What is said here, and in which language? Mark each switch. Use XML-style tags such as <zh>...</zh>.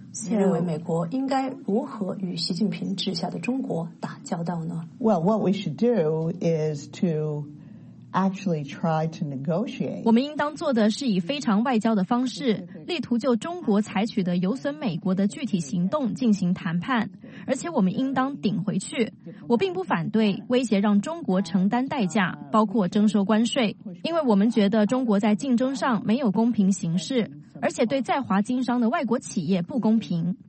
<zh>认为美国应该如何与习近平治下的中国打交道呢？</zh> <en>Well, what we should do is to actually try to negotiate.</en> <zh>我们应当做的是以非常外交的方式，力图就中国采取的有损美国的具体行动进行谈判，而且我们应当顶回去。我并不反对威胁让中国承担代价，包括征收关税，因为我们觉得中国在竞争上没有公平形势，而且对在华经商的外国企业不公平。</zh>